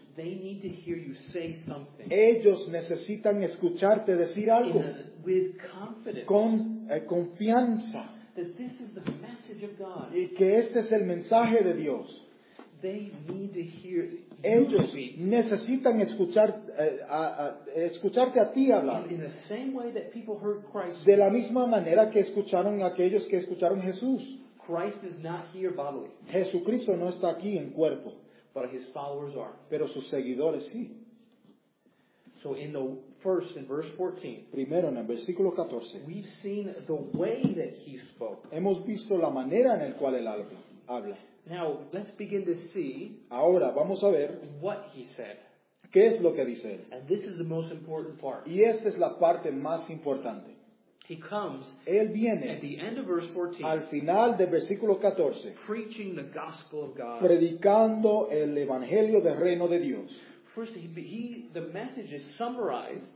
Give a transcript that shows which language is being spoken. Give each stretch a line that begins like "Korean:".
English: They need to hear you say something.
Spanish: Ellos necesitan escucharte decir algo.
English: With confidence.
Spanish: Con confianza.
English: That this is the message of God.
Spanish: Y que este es el mensaje de Dios.
English: They need to hear
Spanish: ellos
English: you speak.
Spanish: Necesitan escuchar escucharte a ti hablar.
English: In the same way that people heard Christ.
Spanish: De la misma manera que escucharon aquellos que escucharon Jesús.
English: Christ is not here bodily.
Spanish: Jesucristo no está aquí en cuerpo.
English: But his followers are.
Spanish: Pero sus seguidores sí.
English: So in the first, in verse 14.
Spanish: Primero en el versículo 14.
English: We've seen the way that he spoke.
Spanish: Hemos visto la manera en el cual él habla.
English: Now let's begin to see.
Spanish: Ahora vamos a ver.
English: What he said.
Spanish: ¿Qué es lo que dice él?
English: And this is the most important part.
Spanish: Y esta es la parte más importante.
English: He comes,
Spanish: él viene,
English: at the end of verse 14,
Spanish: al final del versículo 14,
English: preaching the gospel of God,
Spanish: predicando el evangelio del reino de Dios.
English: First, the message is summarized.